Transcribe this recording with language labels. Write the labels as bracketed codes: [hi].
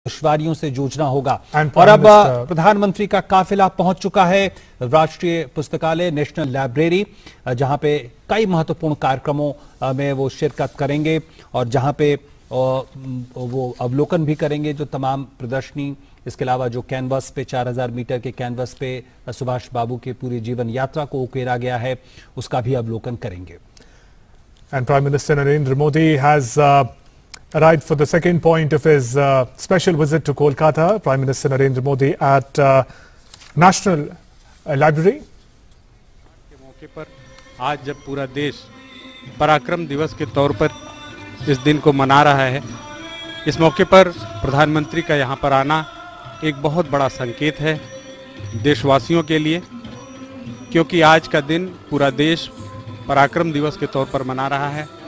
[hi] दुश्वारियों से जूझना होगा। और अब प्रधानमंत्री का काफिला पहुंच चुका है राष्ट्रीय पुस्तकालय नेशनल लाइब्रेरी, जहां पे कई महत्वपूर्ण कार्यक्रमों में वो शिरकत करेंगे और जहां पे वो अवलोकन भी करेंगे जो तमाम प्रदर्शनी, इसके अलावा जो कैनवस पे 4000 मीटर के कैनवस पे सुभाष बाबू के पूरे जीवन यात्रा को उकेरा गया है उसका भी अवलोकन करेंगे। [en] And Prime Minister Narendra Modi has arrived for the second point of his special visit to Kolkata. Prime Minister Narendra Modi at National Library. [hi] के मौके पर आज जब पूरा देश पराक्रम दिवस के तौर पर इस दिन को मना रहा है, इस मौके पर प्रधानमंत्री का यहाँ पर आना एक बहुत बड़ा संकेत है देशवासियों के लिए, क्योंकि आज का दिन पूरा देश पराक्रम दिवस के तौर पर मना रहा है।